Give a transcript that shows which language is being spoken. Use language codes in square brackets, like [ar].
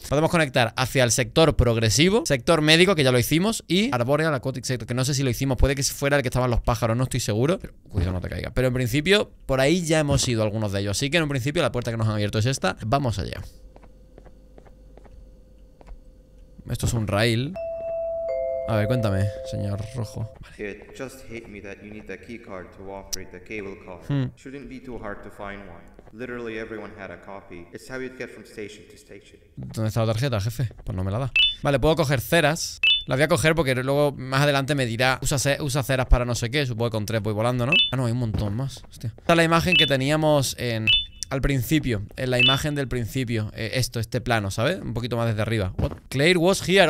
[es] Podemos conectar hacia el sector progresivo, sector médico, que ya lo hicimos, y arboreal aquatic sector, que no sé si lo hicimos. Puede que fuera el que estaban los pájaros, no estoy seguro. Pero, cuidado, no te caiga. Pero en principio, por ahí ya hemos ido algunos de ellos. Así que en un principio, la puerta que nos han abierto es esta. Vamos allá. Esto es un rail. A ver, cuéntame, señor rojo. Vale. [en] It just hit me that you need the key card to operate the cable car. Shouldn't be too hard to find one. Literally everyone had a copy. It's how you'd get from station to station. [es] ¿Dónde está la tarjeta, jefe? Pues no me la da. Vale, puedo coger ceras. La voy a coger porque luego más adelante me dirá usa ceras para no sé qué. Supongo que con tres voy volando, ¿no? Ah, no, hay un montón más. Hostia. Esta es la imagen que teníamos en... Al principio, en la imagen del principio, esto, este plano, ¿sabes? Un poquito más desde arriba. [en] What? Claire was here.